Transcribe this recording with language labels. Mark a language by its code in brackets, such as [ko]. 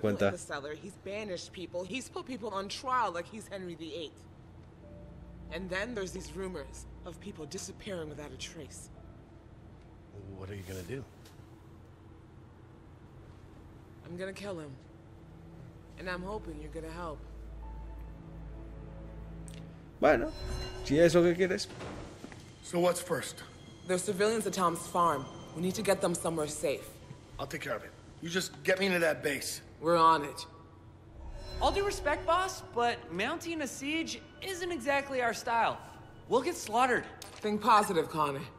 [en] He's locked people in the cellar. He's banished people. He's put people on trial like he's Henry VIII. And then there's these rumors of people disappearing without a trace. What are you gonna do? I'm gonna kill him. And I'm hoping you're gonna help. [es] Bueno, si es lo que quieres. [en] So what's first? There's civilians at Tom's farm. We need to get them somewhere safe. I'll take care of it. You just get me into that base. We're on it. All due respect, boss, but mounting a siege isn't exactly our style. We'll get slaughtered. Think positive, Connor.